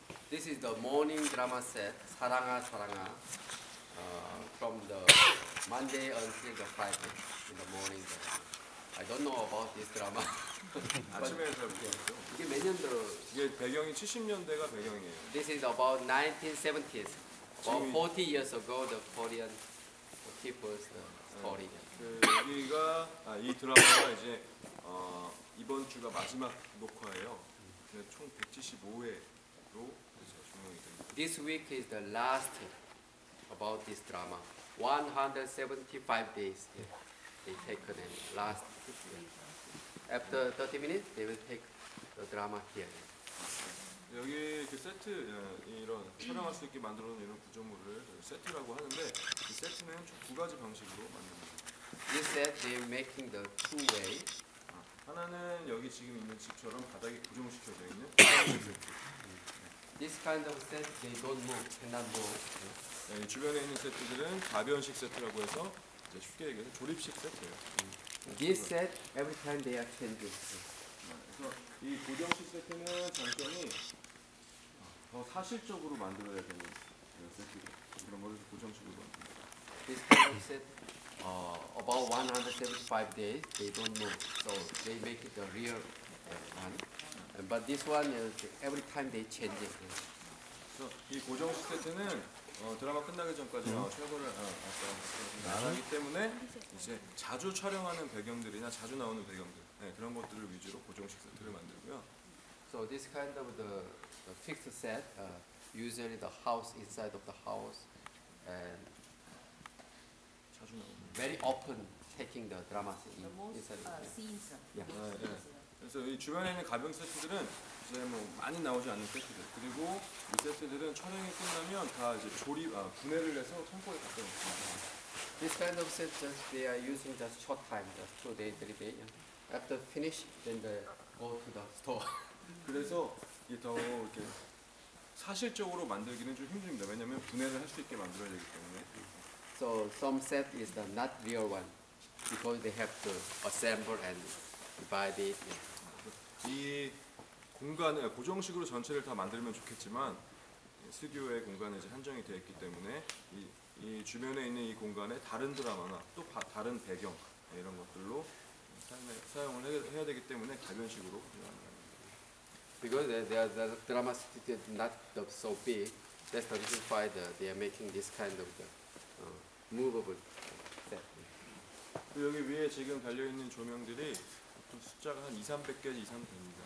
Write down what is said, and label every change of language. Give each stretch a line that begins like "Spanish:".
English: This is the morning drama set, 사랑아 사랑아, from the Monday until the Friday in the morning. I don't know about this drama.
Korean: 아침에 잘 모르겠어요. 이게 몇 년도? 이게 배경이 70년대가 배경이에요.
English: This is about 1970s. About 40 years ago, the Korean people's story.
Korean: 여기가 이 드라마가 이제 이번 주가 마지막 녹화예요. 총 175회로
English: This week is the last about this drama. 175 days they take the last. After 30 minutes, they will take the drama here.
Korean: 여기 그 세트 이런 촬영할 수 있게 만들어 놓은 이런 구조물을 세트라고 하는데 이 세트는 총 두 가지 방식으로 만듭니다.
English: This set they making the two way.
Korean: 하나는 여기 지금 있는 집처럼 바닥에 고정시켜져 있는.
English: This kind of set, they don't move, cannot move.
Korean: 네, 이 주변에 있는 세트들은 좌변식 세트라고 해서 이제 쉽게 얘기해서 조립식 세트예요.
English: This set, every time they are changing.
Korean: 네, 그래서 이 고정식 세트는 장점이 더 사실적으로 만들어야 되는 세트예요. 그런 것을 고정식으로 만듭니다.
English: This kind of set, about 175 days, they don't know. So they make it the real one. But this one is every time they change it. Yeah. So,
Korean: 이 고정 시세트는 드라마 끝나기 전까지 최고를 하기 때문에 이제 자주 촬영하는 배경들이나 자주 나오는 배경들 네, 그런 것들을 위주로 고정 시세트를 만들고요.
English: So this kind of the fixed set, usually the house inside of the house, and very often taking the drama scene. The most inside of scenes. Yeah.
Korean: 아, 네. 그래서 이 주변에 있는 가벼운 세트들은 이제 뭐 많이 나오지 않는 세트들 그리고 이 세트들은 촬영이 끝나면 다 이제 조립 아, 분해를 해서 창고에 갖다 놓습니다.
English: This kind of set just they are using just short time, just 2-3 days. After finish, then they go to the store.
Korean: 그래서 이게 더 이렇게 사실적으로 만들기는 좀 힘듭니다. 왜냐하면 분해를 할 수 있게 만들어야 되기 때문에.
English: So some set is the not real one because they have to assemble and divide it.
Korean: 이 공간을 고정식으로 전체를 다 만들면 좋겠지만 스튜디오의 공간이 한정이 되어 있기 때문에 이 주변에 있는 이 공간에 다른 드라마나 또 다른 배경 이런 것들로 사용을 해야 되기 때문에 가변식으로 운영합니다.
English: Because the drama studio is not so big, that's the reason why they are making this kind of the movable set.
Korean: 여기 위에 지금 달려 있는 조명들이 보통 숫자가 한 2-300개 이상 됩니다.